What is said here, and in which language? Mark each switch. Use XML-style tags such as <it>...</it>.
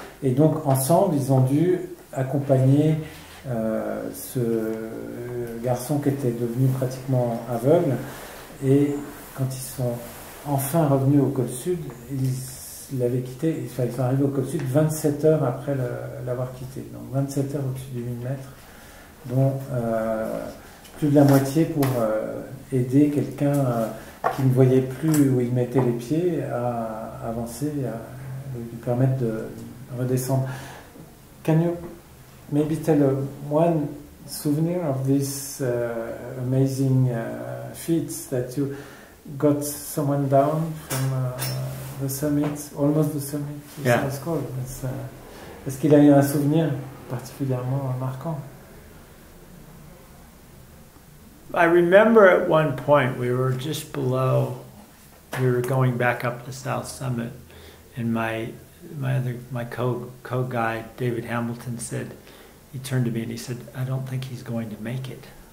<fr>Et donc ensemble, ils ont dû accompagner. Ce garçon qui était devenu pratiquement aveugle, et quand ils sont enfin revenus au Col Sud, ils sont arrivés au Col Sud 27 heures après l'avoir quitté, donc 27 heures au-dessus du 1000 mètres, dont plus de la moitié pour aider quelqu'un qui ne voyait plus où il mettait les pieds, a avancé et lui permettre de redescendre.</fr> <en>Can you maybe tell one souvenir of this amazing feat that you got someone down from the summit, almost the summit, yeah. It's called.</en> <fr>Est-ce qu'il a eu un souvenir particulièrement marquant?</fr> <en>I remember at one point we were just below, we were going back up the South Summit, and my co-guide David Hamilton said, he turned to me and he said, I don't think he's going to make it.</en>